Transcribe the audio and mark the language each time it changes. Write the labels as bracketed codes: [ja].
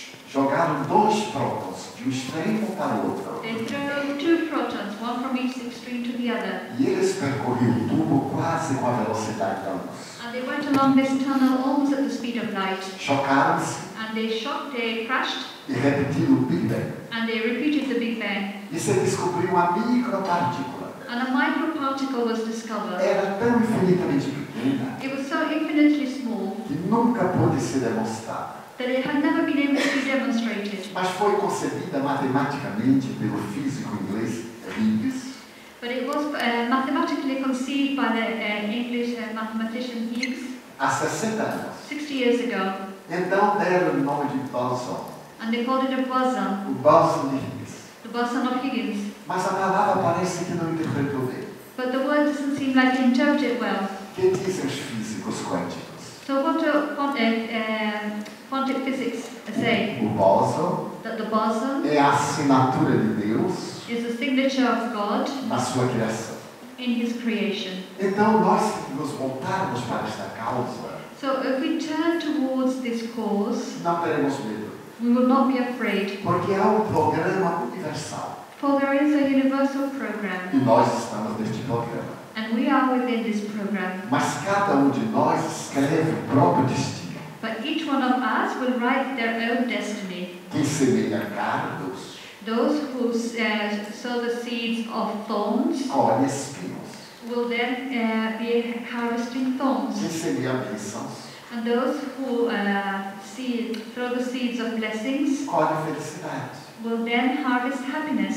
[pt] Jogaram dois prótons de um extremo para o outro. [en] They threw two protons, one from each extreme to the other. [pt] E eles percorriam o tubo quase com a velocidade da luz. [en] And they went along this tunnel almost at the speed of light. [pt] Chocaram-se. [en] And they shocked, they crashed. [pt] E repetiram o Big Bang. [en] And they repeated the Big Bang. [pt] E se descobriu uma micropartícula. [en] And a microparticle was discovered. [pt] Era tão infinitamente pequena. [en] It was so infinitely small. [pt] Que nunca pôde ser demonstrada. [en] That it had never been able to be demonstrated. [pt] Mas foi concebida matematicamente pelo físico inglês Higgs. [en] But it was mathematically conceived by the English mathematician Higgs. [pt] Há 60 anos. [en] 60 years ago. [pt] Então deram o nome de boson. [en] And they called it a boson. [pt] O boson de Higgs. [en] The boson of Higgs. [pt] Mas a palavra parece que não interpretou bem. [en] But the word doesn't seem like to interpret it well. [pt] Que dizem os físicos quânticos? [en] So quantum physics say [pt] o boson, [en] that the boson [pt] é a assinatura de Deus, [en] is the signature of God [pt] na sua criação, [en] in his creation. [pt] Então nós nos voltarmos para esta causa, [en] so if we turn towards this cause, [pt] não teremos medo, [en] we will not be afraid, [pt] porque há programa universal, [en] for there is a universal program, [pt] e nós estamos neste programa, [en] and we are within this program. [pt] Mas cada de nós escreve o próprio destino. [en] But each one of us will write their own destiny. Those who sow the seeds of thorns will then be harvesting thorns. And those who throw the seeds of blessings will then harvest happiness.